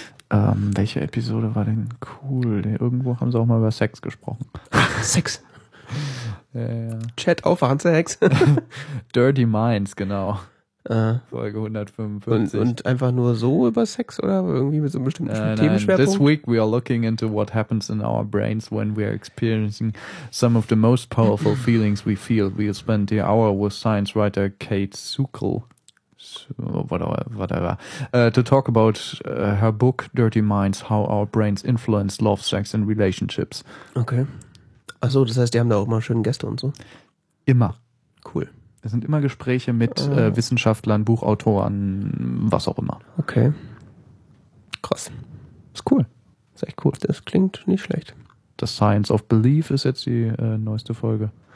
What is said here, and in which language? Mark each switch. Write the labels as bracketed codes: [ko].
[de] Welche Episode war denn cool? Irgendwo haben sie auch mal über Sex gesprochen. Sex! Ja. Chat auf, Hans-Hex. Dirty Minds, genau. Folge 155. Und einfach nur so über Sex oder irgendwie mit so einem bestimmten Themenschwerpunkt? [en] This week we are looking into what happens in our brains when we are experiencing some of the most powerful feelings we feel. We'll spend the hour with science writer Kate Suckel. Whatever. To talk about her book Dirty Minds, how our brains influence love, sex and relationships. [de] Okay. Achso, das heißt, die haben da auch immer schöne Gäste und so? Immer. Cool. Es sind immer Gespräche mit Wissenschaftlern, Buchautoren, was auch immer. Okay. Krass. Ist cool. Ist echt cool. Das klingt nicht schlecht. The Science of Belief ist jetzt die neueste Folge.